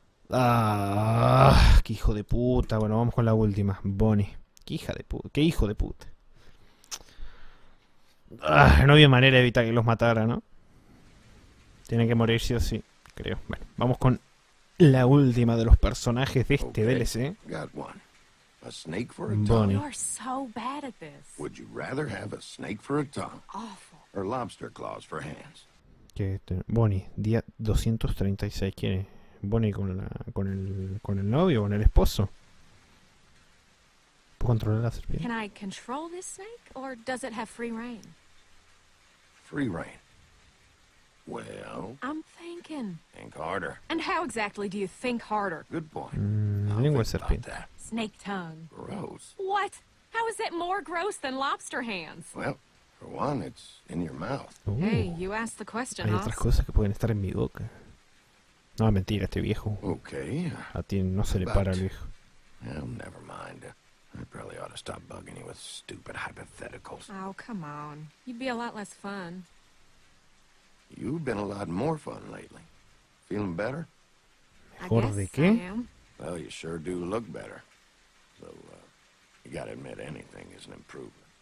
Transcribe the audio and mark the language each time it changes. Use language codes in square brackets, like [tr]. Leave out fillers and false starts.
[es] Ah, qué hijo de puta. Bueno, vamos con la última, Bonnie. Qué hija de puta, qué hijo de puta. Ah, no había manera de evitar que los matara, ¿no? Tienen que morir sí o sí, creo. Bueno, vamos con la última de los personajes de este DLC. [en] Got one. A snake for a tongue? You're so bad at this. Would you rather have a snake for a tongue? Awful. Or lobster claws for hands? [es] Bonnie, día 236. ¿Quién es? ¿Bonnie con el novio o con el esposo? Controlar la serpiente. [en] Can I control this snake, or does it have free reign? Free reign. Well. I'm thinking. Think harder. And how exactly do you think harder? Good point. [es] Lengua serpiente. [en] Snake tongue. Gross. What? How is it more gross than lobster hands? Well, for one, it's in your mouth. Ooh. Hey, you asked the question. [es] Hay otras cosas que pueden estar en mi boca. No, mentira, este viejo. [en] Okay. [es] A ti no se le para el viejo. [en] Well, never mind. I probably ought to stop bugging you with stupid hypotheticals. Oh, come on. You'd be a lot less fun. You've been a lot more fun lately. Feeling better? [es] Mejor de qué? [en] Well, you sure do look better. So, you gotta admit anything is an improvement.